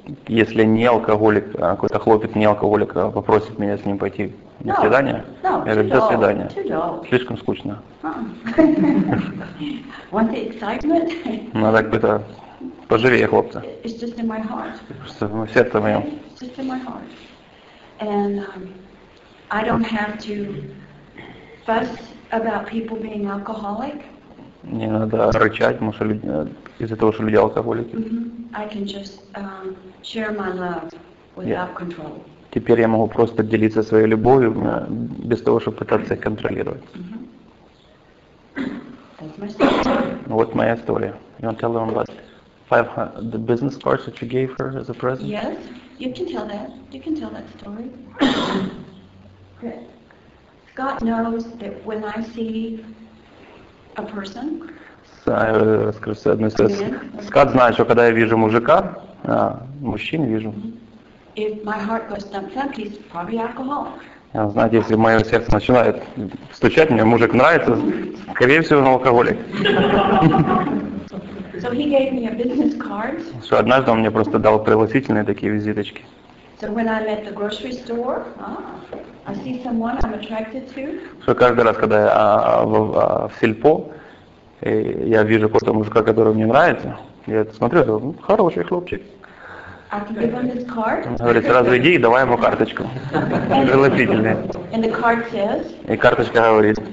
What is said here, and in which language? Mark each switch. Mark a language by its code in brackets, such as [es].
[ru] Если не алкоголик, какой-то хлопец не алкоголик попросит меня с ним пойти на свидание, я говорю, до свидания. Слишком скучно. [en] Want the excitement? [ru] Ну так бы это поживее, хлопцы. [en] It's just in my heart. [ru] Просто в сердце моем. [en] It's just in my heart. And I don't have to fuss about people being alcoholic. [ru] Не надо рычать, потому что люди, из-за того, что люди алкоголики. [en] I can just, share my love without control. [ru] Теперь я могу просто делиться своей любовью без того, чтобы пытаться их контролировать. Mm-hmm. Вот моя история. [en] You want to tell them about 500, the business cards that you gave her as a present? Yes, you can tell that. You can tell that story. Scott knows that when I see a person. [ru] Скат знает, что когда я вижу мужика, мужчин вижу. [en] If my heart goes thump-thump, he's probably alcoholic. [ru] Знаете, если мое сердце начинает стучать, мне мужик нравится, скорее всего, он алкоголик. [en] So he gave me a business card. [ru] Что однажды он мне просто дал пригласительные такие визиточки. [en] So when I'm at the grocery store, I see someone I'm attracted to. [ru] Что каждый раз, когда я в сельпо, и я вижу какого-то мужика, который мне нравится, я смотрю, говорю, ну, хороший хлопчик. [en] I can give him his card. [ru] Он говорит, сразу иди и давай ему карточку. Пригласительные. [en] And the card says. [ru] И карточка говорит.